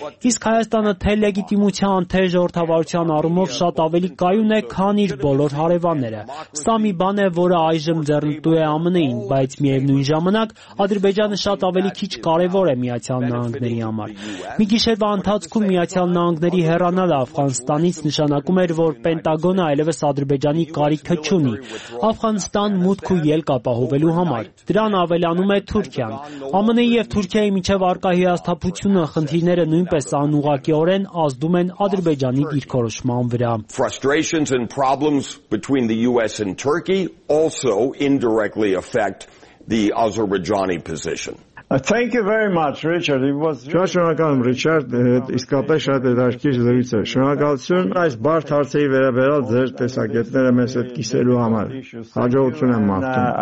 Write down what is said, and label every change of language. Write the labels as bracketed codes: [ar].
[hy] իսկ Հայաստանը թե լեգիտիմության, թե ժողովրդավարության առումով շատ ավելի կայուն է, քան իր բոլոր հարևանները։ Սա մի բան է, որը այժմ ձեռնտու է ԱՄՆ-ին, բայց միևնույն ժամանակ Ադրբեջանը շատ ավելի քիչ կարևոր է Միացյալ Նահանգների համար։ Մի գիշերվա ընթացքում Միացյալ Նահանգների հեռանալը Աֆղանստանից նշանակում էր, որ Պենտագոնը այլևս Ադրբեջանի կարիքը չունի Աֆղանստան մուտք ու ելք ապահովելու համար։ Դրան ավելանում է Թուրքիան։ ԱՄՆ-ի եւ Թուրքիայի միջև արկա հիասթափությունը, խնդիրները նույնպես անուղղակիորեն ազդում են Ադրբեջանի դիրքորոշման վրա։ [en] Frustrations and problems between the US and Turkey also indirectly affect the Azerbaijani position. Thank you very much, Richard. It was. [hy] Շնորհակալ եմ, Ռիչարդ, իսկապես շատ հետաքրքիր զրույց է. Շնորհակալություն այս բարդ հարցերի վերաբերյալ ձեր տեսակետները մեզ հետ կիսելու համար։ Հաջողություն եմ մաղթում։